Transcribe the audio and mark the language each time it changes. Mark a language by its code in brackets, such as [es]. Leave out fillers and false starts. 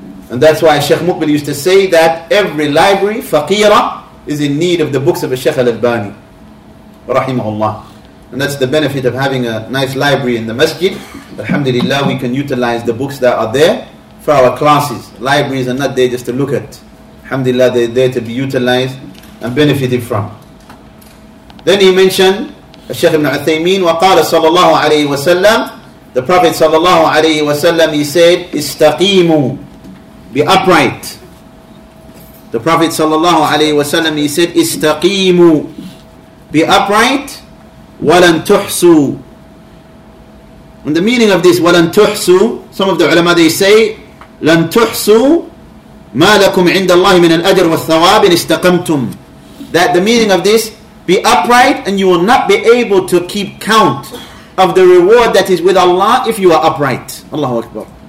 [en] And that's why Shaykh Muqbil used to say that every library, faqira, is in need of the books of Shaykh al-Albani. Rahimahullah. And that's the benefit of having a nice library in the masjid. Alhamdulillah, we can utilize the books that are there for our classes. Libraries are not there just to look at. Alhamdulillah, they're there to be utilized and benefited from. Then he mentioned, [ar] الشيخ ابن عثيمين وقال [en] صلى الله عليه وسلم, the Prophet صلى الله عليه وسلم, he said استقيموا, be upright. The Prophet صلى الله عليه وسلم, he said استقيموا, be upright, [ar] ولن تحسوا. [en] And the meaning of this [ar] ولن تحسوا, [en] some of the علماء, they say [ar] لن تحسوا ما لكم عند الله من الأجر والثواب إن استقمتم, [en] that the meaning of this, be upright and you will not be able to keep count of the reward that is with Allah if you are upright. Allahu Akbar.